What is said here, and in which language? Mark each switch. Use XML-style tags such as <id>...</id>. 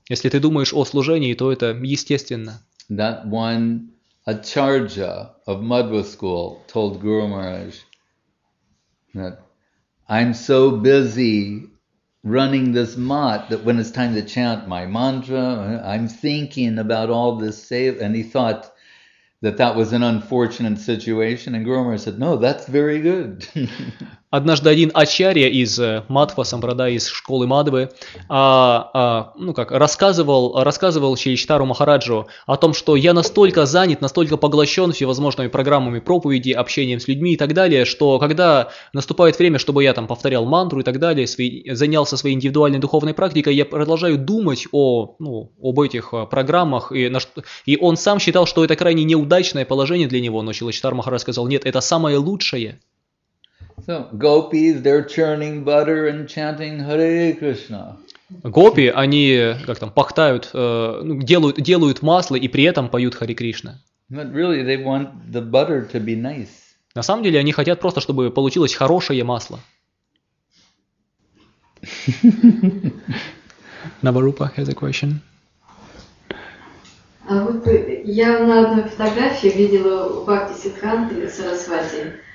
<ru>Если ты думаешь о служении, то это естественно.</ru> <en>That one acharya of Madhva school told Guru Maharaj that I'm so busy running this mat that when it's time to chant my mantra, I'm thinking about all this save. And he thought that that was an unfortunate situation. And Guru Maharaj said, no, that's very good.</en> <ru>Однажды один ачарья из Мадхва Сампрадая, из школы Мадвы, рассказывал Шричитару Махараджу о том, что я настолько занят, настолько поглощен всевозможными программами проповеди, общением с людьми и так далее, что когда наступает время, чтобы я там повторял мантру и так далее, занялся своей индивидуальной духовной практикой, я продолжаю думать об этих программах. И он сам считал, что это крайне неудачное положение для него, но Шричитар Махарадж сказал, нет, это самое лучшее.</ru> <en>So gopis, they're churning butter and chanting Hare Krishna.</en> <ru>Гопи, они как там пахтают, делают масло и при этом поют Хари Кришна.</ru> <en>But really, they want the butter to be nice.</en> <ru>На самом деле, они хотят просто, чтобы получилось хорошее масло.</ru> <en>Navarupa has a question.</en> <ru>А вот я на одной фотографии видела у Бхакти Сиддханты Сарасвати.</ru>